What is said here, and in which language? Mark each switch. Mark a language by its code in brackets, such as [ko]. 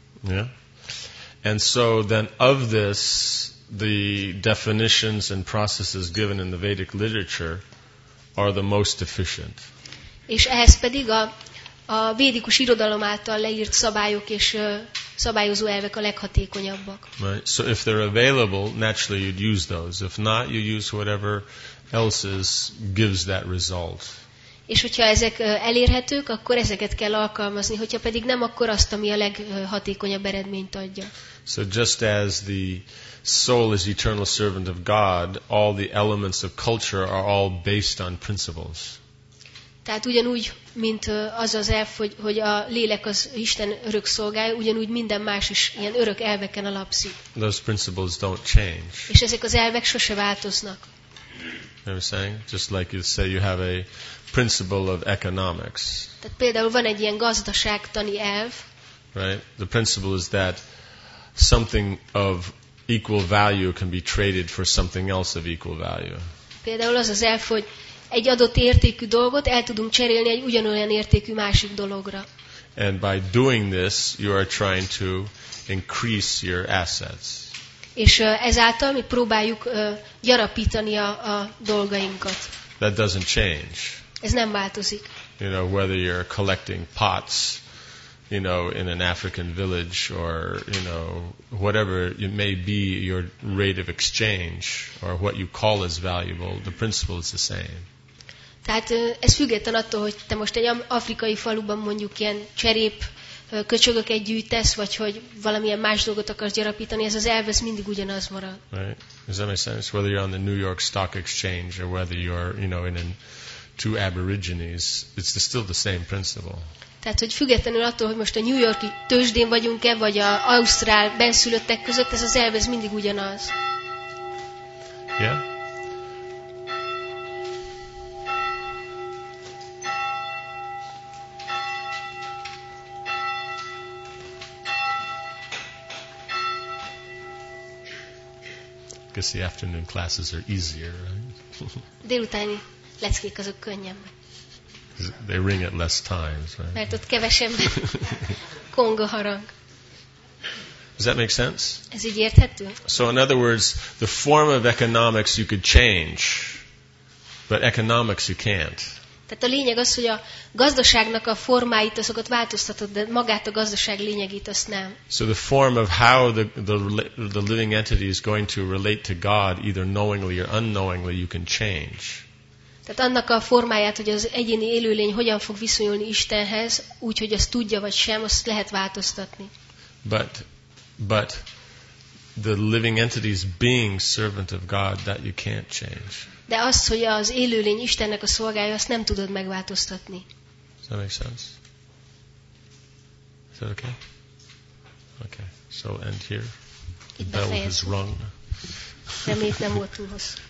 [en] Yeah. And so then of this, the definitions and processes given in the Vedic literature are the most efficient. [hu] És ehhez pedig a védikus irodalom által leírt szabályok és szabályozó elvek a leghatékonyabbak. [en] Right. So if they're available, naturally you'd use those. If not, you use whatever else is gives that result. [hu] És hogyha ezek elérhetők, akkor ezeket kell alkalmazni, hogyha pedig nem, akkor azt, ami a leghatékonyabb eredményt adja. [en] So just as the soul is eternal servant of God, all the elements of culture are all based on principles. [hu] Tehát ugyanúgy, mint az az elf, hogy a lélek az Isten örök szolgája, ugyanúgy minden más is ilyen örök elveken alapszik. [en] Those principles don't change. [hu] És ezek az elvek sose változnak. [en] I'm saying, just like you say, you have a principle of economics. [hu] Tehát például van egy ilyen gazdaságtani elv. [en] Right. The principle is that something of equal value can be traded for something else of equal value. [hu] Például az az elf, hogy egy adott értékű dolgot el tudunk cserélni egy ugyanolyan értékű másik dologra. [en] And by doing this, you are trying to increase your assets. [hu] És ezáltal mi próbáljuk gyarapítani a dolgainkat. [en] That doesn't change. [hu] Ez nem változik. [en] You know, whether you're collecting pots, you know, in an African village, or you know, whatever it may be, your rate of exchange or what you call as valuable, the principle is the same. [hu] Tehát ez független attól, hogy te most egy afrikai faluban mondjuk ilyen cserép köcsögöket gyűjtesz, vagy hogy valamilyen más dolgot akarsz gyarapítani, ez az elv, ez mindig ugyanaz marad. [en] Right. Does that make sense? Whether you're on the New York Stock Exchange or whether you're, you know, in two Aborigines, it's still the same principle. [hu] Tehát, hogy függetlenül attól, hogy most a New Yorki tőzsdén vagyunk-e, vagy az ausztrál benszülöttek között, ez az elv, ez mindig ugyanaz. [en] Yeah. Because the afternoon classes are easier. [hu] Délutáni leckék azok könnyebbek. [en] They ring at less times, right? [hu] Mert ott kevesebb konga harang. [en] Does that make sense? [hu] Ez így érthető? [en] So in other words, the form of economics you could change, but economics you can't. [hu] Tehát a lényeg az, hogy a gazdaságnak a formáit azokat változtatod, de magát a gazdaság lényegét azt nem. [en] So the form of how the living entity is going to relate to God, either knowingly or unknowingly, you can change. [hu] Tehát annak a formáját, hogy az egyéni élőlény hogyan fog viszonyulni Istenhez, úgy, hogy azt tudja vagy sem, azt lehet változtatni. [en] But the living entity's being servant of God, that you can't change. [hu] De azt, hogy az élőlény Istennek a szolgája, azt nem tudod megváltoztatni. [en] Does that make sense? Is that okay? Okay, so end here. Itt the bell has rung. [hu] Remélt nem volt túl hosszú.